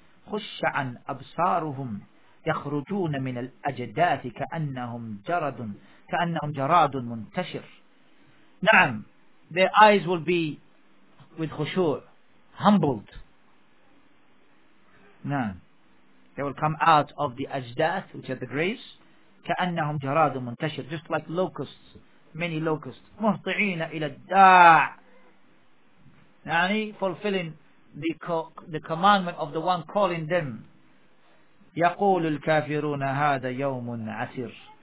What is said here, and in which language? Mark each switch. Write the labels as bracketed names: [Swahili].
[Arabic] خُشَّ عَنْ أَبْصَارُهُمْ يخرجون من الأجداث كأنهم جراد منتشر. نعم. [English] Their eyes will be with خشوع, humbled. [Arabic] نعم. [English] They will come out of the أجداث, which are the graves, [Arabic] كأنهم جراد منتشر, [English] just like locusts, many locusts. [Arabic] مهطعين إلى الداع. [English] يعني fulfilling the commandment of the one calling them. [Arabic] يقول الكافرون هذا يوم عسير.